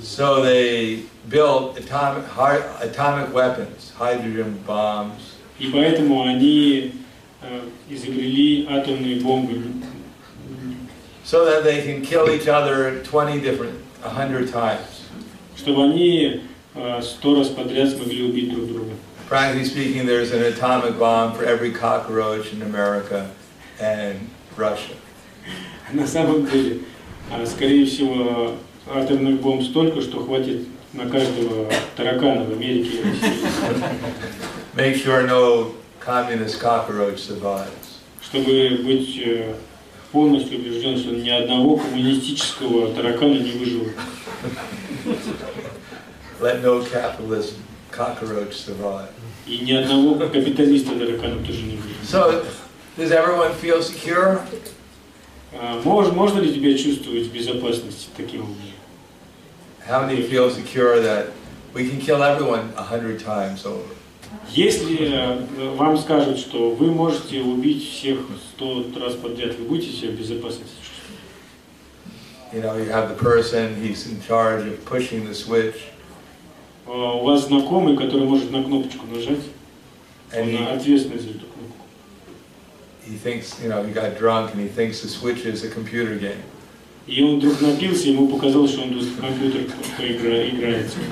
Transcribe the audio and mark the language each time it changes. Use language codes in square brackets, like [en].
[en] So they built atomic weapons, hydrogen bombs. [ru] И поэтому они изобрели атомные бомбы. [en] So that they can kill each other 20 different, 100 times. [ru] Чтобы они 100 раз подряд смогли убить друг друга. [en] Practically speaking, there's an atomic bomb for every cockroach in America and Russia. [ru] На самом деле, скорее всего, атомных бомб столько, что хватит на каждого таракана в Америке и России. [en] Make sure no communist cockroach survives. [ru] Чтобы быть полностью убежден, что ни одного коммунистического таракана не выживет. [en] Let no capitalist cockroach survive. [ru] И ни одного капиталиста таракана тоже не выживет. [en] So, does everyone feel secure? [ru] Можно ли тебя чувствовать в безопасности таким образом? [en] How many feel secure that we can kill everyone 100 times over? [ru] Если вам скажут, что вы можете убить всех 100 раз подряд, вы будете себя в безопасности чувствовать? [en] You know, you have the person, he's in charge of pushing the switch. [ru] У вас знакомый, который может на кнопочку нажать, and он ответственный за эту кнопку. [en] He thinks, you know, he got drunk and he thinks the switch is a computer game. [ru] И он вдруг напился, ему показалось, что он тут в компьютер играет.